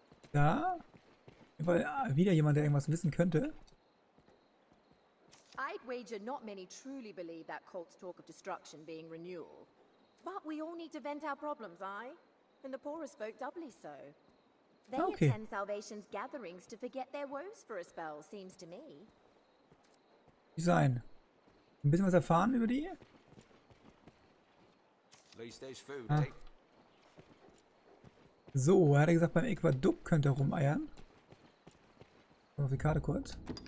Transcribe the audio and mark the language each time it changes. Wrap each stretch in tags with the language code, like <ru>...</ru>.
<de>Da? Weil wieder jemand, der irgendwas wissen könnte.</de> <en>I'd wager not many truly believe that cult's talk of destruction being renewal. But we all need to vent our problems, aye? And the poorer spoke doubly so. They okay. Attend Salvation's gatherings to forget their woes for a spell, seems to me.</en> <de>Wie sein? Ein bisschen was erfahren über die? Ah. So, hat er gesagt, beim Aquädukt könnte er rumeiern. Mal auf die Karte kurz.</de>